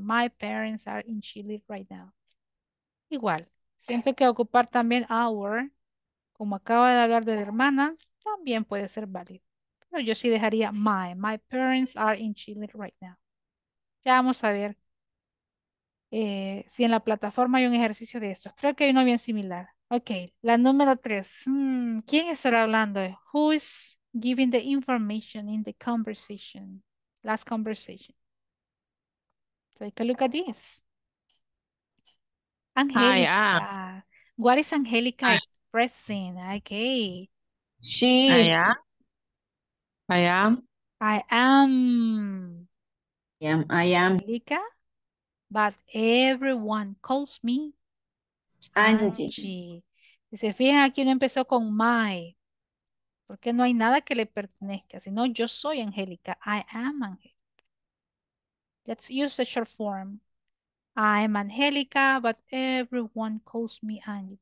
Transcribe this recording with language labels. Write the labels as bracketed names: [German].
[English] My parents are in Chile right now. [Spanish] Igual, siento que ocupar también our, como acaba de hablar de la hermana, también puede ser válido. Pero yo sí dejaría [English] my parents are in Chile right now. [Spanish] Ya vamos a ver si en la plataforma hay un ejercicio de estos. Creo que hay uno bien similar. Ok, la número 3. ¿Quién estará hablando? [English] Who is giving the information in the conversation? Last conversation. Take a look at this. Angelica. What is Angelica expressing? Okay. She is. I am. I am. I am. Angelica, but everyone calls me Angie. [Spanish] Si se fijan, aquí uno empezó con my. Porque no hay nada que le pertenezca, sino yo soy Angélica. [English] I am Angélica. Let's use the short form. I am Angélica, but everyone calls me Angie.